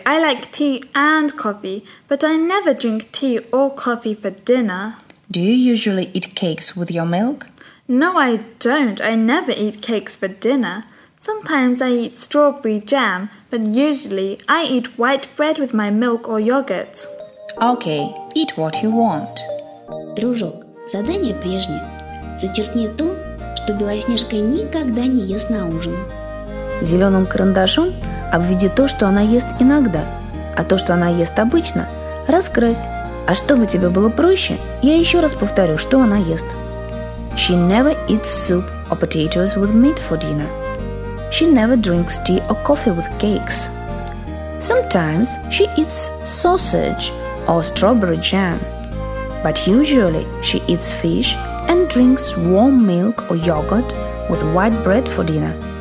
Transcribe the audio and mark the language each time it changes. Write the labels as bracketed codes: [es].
[en] I like tea and coffee, but I never drink tea or coffee for dinner. Do you usually eat cakes with your milk? No, I don't. I never eat cakes for dinner. Sometimes I eat strawberry jam, but usually I eat white bread with my milk or yogurt. Okay, eat what you want. [ru] Дружок, задание прежнее. Зачеркни то, что Белоснежка никогда не ест на ужин. Зеленым карандашом обведи то, что она ест иногда, а то, что она ест обычно, раскрась. А чтобы тебе было проще, я еще раз повторю, что она ест. [en] She never eats soup or potatoes with meat for dinner. She never drinks tea or coffee with cakes. Sometimes she eats sausage or strawberry jam. But usually she eats fish and drinks warm milk or yogurt with white bread for dinner.